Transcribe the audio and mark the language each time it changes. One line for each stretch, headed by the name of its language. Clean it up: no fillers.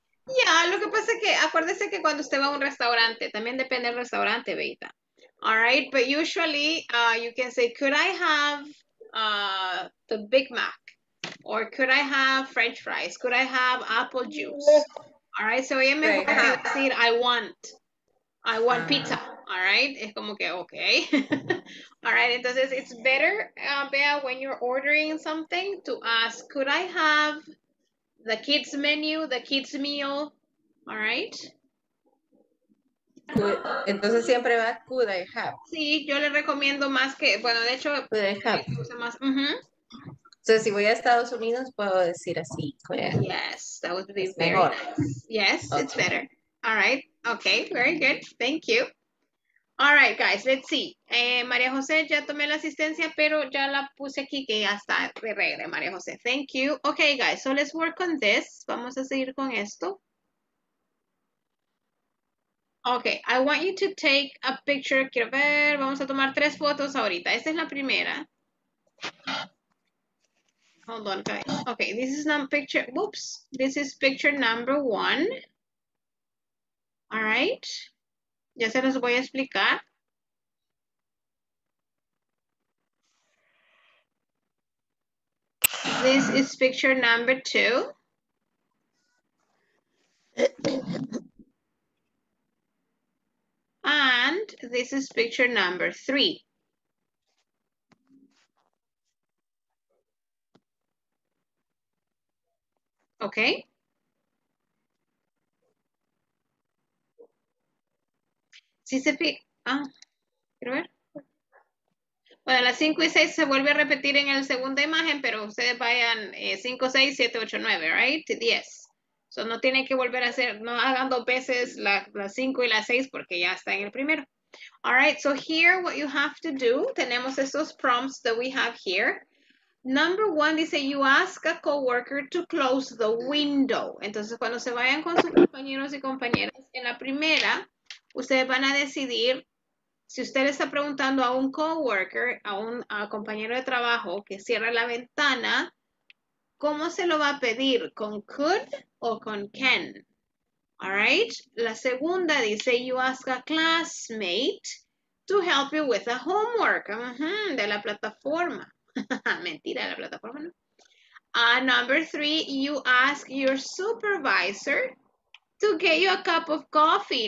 Spanish: Yeah, lo que pasa es que acuérdese que cuando usted va a un restaurante, también depende del restaurante, Beita.
English: All right, but usually you can say could I have the Big Mac or could I have French fries? Could I have apple juice?
Spanish: All right, so hoy es mejor que decir,
English: I want pizza, all right?
Spanish: Es como que, okay.
English: All right, entonces, it's better, Bea, when you're ordering something to ask, could I have the kids menu, the kids meal, all right?
Spanish: Entonces, siempre va,
English: could I have?
Spanish: Sí, yo le recomiendo más que, bueno, de hecho,
English: could I have?
Spanish: Usa más, uh-huh. So, si voy a Estados Unidos, puedo decir así.
English: Yes, that would be very nice. Yes, okay. It's better. All right. Okay, very good. Thank you. All right, guys, let's see.
Spanish: María José, ya tomé la asistencia, pero ya la puse aquí que ya está de regreso, María José.
English: Thank you. Okay, guys, so let's work on this.
Spanish: Vamos a seguir con esto.
English: Okay, I want you to take a picture.
Spanish: Quiero ver, vamos a tomar tres fotos ahorita. Esta es la primera.
English: Hold on, guys. Okay, this is not picture. Whoops. This is picture number one. All right.
Spanish: Ya se los voy a explicar.
English: Okay. This is picture number two. And this is picture number three. Okay.
Spanish: Si se fija. Quiero ver. Bueno, las 5 y 6 se vuelve a repetir en la segunda imagen, pero ustedes vayan 5, 6, 7, 8, 9, right? 10. So no tienen que volver a hacer, no hagan dos veces las 5 y las 6 porque ya está en el primero.
English: All right, so here what you have to do,
Spanish: tenemos esos
English: prompts that we have here. Number one dice, you ask a coworker to close the window.
Spanish: Entonces, cuando se vayan con sus compañeros y compañeras en la primera, ustedes van a decidir si usted le está preguntando a un coworker, a un compañero de trabajo que cierre la ventana, ¿cómo se lo va a pedir? ¿Con could o con can? All right. La segunda dice,
English: you ask a classmate to help you with a homework.
Spanish: Uh-huh, de la plataforma. Mentira, la plataforma no.
English: Number three, you ask your supervisor to get you a cup of coffee.